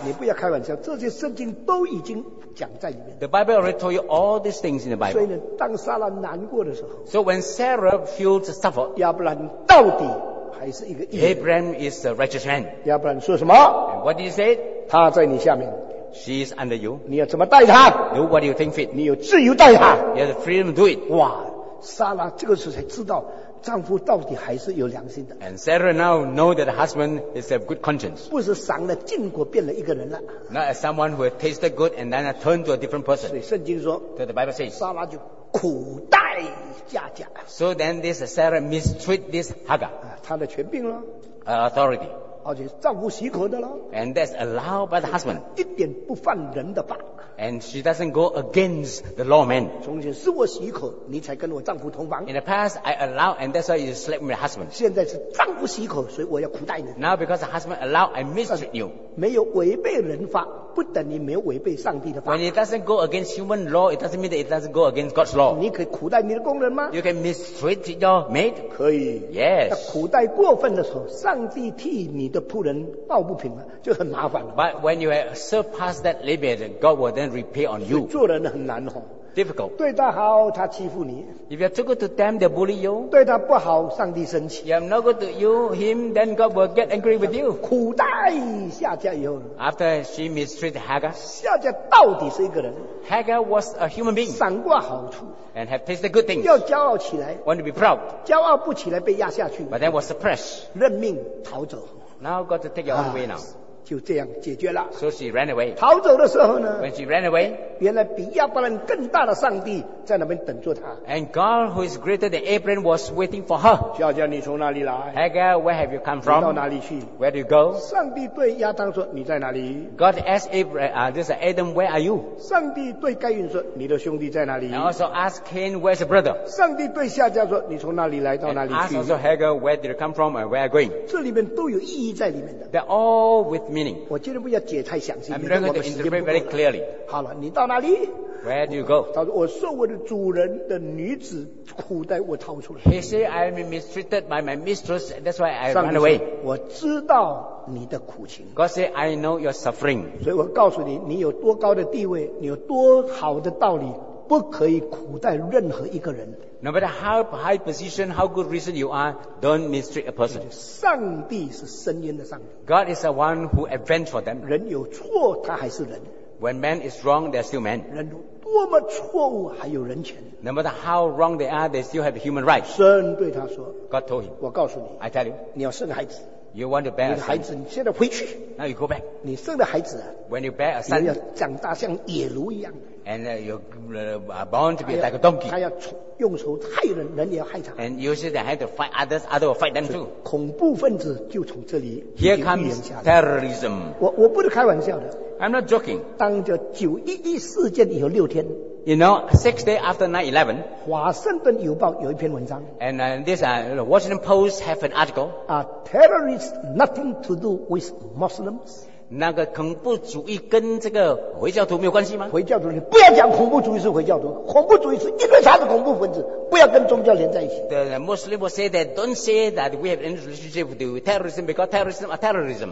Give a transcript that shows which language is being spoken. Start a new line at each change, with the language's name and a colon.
Chinese: 你不要开玩笑, 这些圣经都已经讲在里面。
English: The Bible already told you all these things in the Bible.
Chinese: 所以呢, 当撒拉难过的时候,
English: so when Sarah feels suffered,
Chinese: 亚伯兰到底还是一个义人,
English: Abraham is a righteous man.
Chinese: 亚伯兰说什么?
English: And what did he say?
Chinese: 他在你下面。
English: She is under you.
Chinese: 你要怎么带她?
English: What do you think fit?
Chinese: 你有自由带她。
English: You have the freedom to do it.
Chinese: 哇，撒拉这个时候才知道丈夫到底还是有良心的。
English: And Sarah now knows that the husband is a good conscience.
Chinese: 不是赏了禁果变了一个人了。
English: Not as someone who has tasted good and then turned to a different person.
Chinese: 所以圣经说,
English: so the Bible says,
Chinese: 撒拉就苦待佳佳。
English: So then this Sarah mistreat this Hagar.
Chinese: 她的权柄了。
English: Authority.
Chinese: 而且丈夫许可的了。
English: And that's allowed by the husband.
Chinese: 一点不犯人的法。
English: And she doesn't go against the lawman.
Chinese: 从前是我许可，你才跟我丈夫同房。
English: In the past, I allowed, and that's why you slept with my husband.
Chinese: 现在是丈夫许可，所以我要苦待你。
English: Now because the husband allowed, I mistreat you.
Chinese: 没有违背人法，不等于没有违背上帝的法。
English: When it doesn't go against human law, it doesn't mean that it doesn't go against God's law.
Chinese: 你可以苦待你的工人吗？
English: You can mistreat your maid.
Chinese: 可以。
English: Yes.
Chinese: 但苦待过分的时候，上帝替你的仆人抱不平了，就很麻烦了。
English: But when you have surpassed that limit, God will then repay on you.
Chinese: 做人很难哦。
English: Difficult.
Chinese: 对他好，他欺负你。
English: If you're too good to them, they bully you.
Chinese: 对他不好，上帝生气。
English: You're not good to you, him, then God will get angry with you.
Chinese: 苦待夏甲以后。
English: After she mistreated Hagar.
Chinese: 夏甲到底是一个人。
English: Hagar was a human being.
Chinese: 赏过好处。
English: And have tasted good things.
Chinese: 要骄傲起来。
English: Want to be proud.
Chinese: 骄傲不起来被压下去。
English: But then was suppressed.
Chinese: 认命逃走。
English: Now got to take your own way now.
Chinese: 就这样解决了。
English: So she ran away.
Chinese: 逃走的时候呢
English: ？When she ran away,
Chinese: 原来比亚伯兰更大的上帝在那边等着她。
English: And God, who is greater than Abraham, was waiting for her.
Chinese: 小姐，你从哪里来
English: ？Hagar, where have you come from?
Chinese: 你到哪里去
English: ？Where do you go?
Chinese: 上帝对亚当说：“你在哪里
English: ？”God asked Abraham, this Adam, where are you?
Chinese: 上帝对该隐说：“你的兄弟在哪里
English: ？”And also asked Cain, where's your brother?
Chinese: 上帝对夏甲说：“你从哪里来到哪里去
English: ？”And also Hagar, where did you come from and where are you going?
Chinese: 这里面都有意义在里面的。
English: They're all with meaning.
Chinese: 我今天不要解太详细。
English: I'm going to interpret very clearly.
Chinese: 好了，你到哪里
English: ？Where do you go？
Chinese: 他说：“我受我的主人的女子苦待，我逃出来。
English: ”He said, "I'm mistreated by my mistress, that's why I ran away."
Chinese: 我知道你的苦情。
English: God said, "I know your suffering."
Chinese: 所以我告诉你，你有多高的地位，你有多好的道理，不可以苦待任何一个人。
English: No matter how high position, how good reason you are, don't mistreat a person.
Chinese: 上帝是伸冤的上帝。
English: God is the one who avenged for them.
Chinese: 人有错，他还是人。
English: When man is wrong, they are still man.
Chinese: 人多么错误，还有人权。
English: No matter how wrong they are, they still have human rights.
Chinese: 神对他说
English: ，God told him,
Chinese: 我告诉你
English: ，I tell you,
Chinese: 你要生孩子。
English: You want to bear a son.
Chinese: 你的孩子，你现在回去。
English: Now you go back.
Chinese: 你生的孩子啊
English: ，When you bear a son,
Chinese: 你要长大像野驴一样。
English: And you're born to be like a donkey.
Chinese: 他要用手害人，人也要害他。
English: And usually they have to fight others, others will fight them too.
Chinese: 恐怖分子就从这里。
English: Here comes terrorism.
Chinese: 我不是开玩笑的。
English: I'm not joking.
Chinese: 当着911事件以后六天。
English: You know, six days after 9/11,
Chinese: 华盛顿邮报有一篇文章。
English: And this Washington Post have an article. Terrorists nothing to do with Muslims.
Chinese: 那个恐怖主义跟这个回教徒没有关系吗？回教徒，你不要讲恐怖主义是回教徒，恐怖主义是因为他的恐怖分子，不要跟宗教连在一起。
English: The Muslim will say that don't say that we have any relationship with terrorism because terrorism are terrorism.